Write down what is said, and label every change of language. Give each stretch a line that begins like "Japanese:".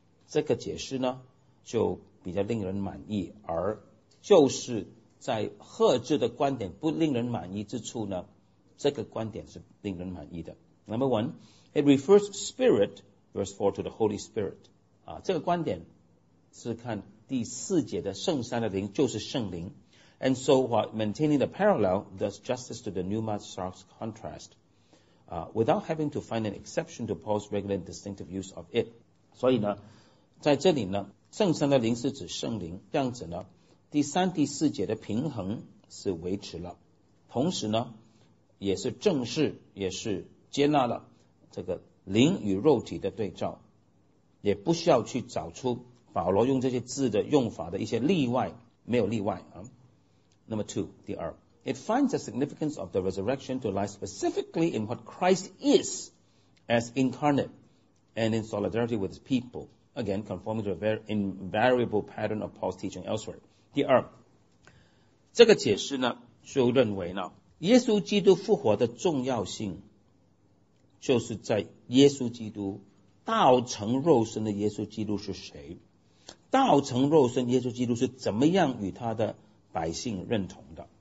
Chinese: 这个解释呢就比较令人满意，而就是在赫兹的观点不令人满意之处呢，这个观点是令人满意的。
English: Number one, it refers spirit, verse 4, to the Holy Spirit.
Chinese: 啊，这个观点是看第四节的圣三的灵就是圣灵。
English: And so while maintaining the parallel does justice to the pneumatic contrast, without having to find an exception to Paul's regular and distinctive use of it.
Chinese: 所以呢在这里呢圣三的灵是指圣灵，这样子呢第三第四节的平衡是维持了，同时呢也是正式也是接纳了这个灵与肉体的对照，也不需要去找出保罗用这些字的用法的一些例外，没有例外啊。
English: Number two, 第二 It finds the significance of the resurrection to lie specifically in what Christ is as incarnate and in solidarity with his people, again conforming to a very invariable pattern of Paul's teaching elsewhere.
Chinese: 第二这个解释呢就认为呢耶稣基督复活的重要性就是在耶稣基督道成肉身的耶稣基督是谁，道成肉身耶稣基督是怎么样与他的百姓认同的。